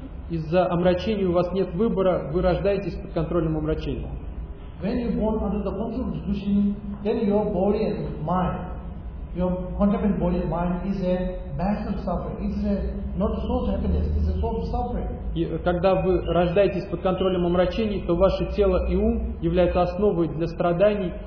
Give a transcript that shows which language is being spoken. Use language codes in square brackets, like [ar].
[ru] Из-за омрачения у вас нет выбора, вы рождаетесь под контролем омрачения. [en] When you born under the control of delusion, then your body and mind, your contaminated body and mind is a massive suffering. It's a not a source of happiness, it's a source of suffering. [ru] И когда вы рождаетесь под контролем омрачений, то ваше тело и ум являются основой для страданий.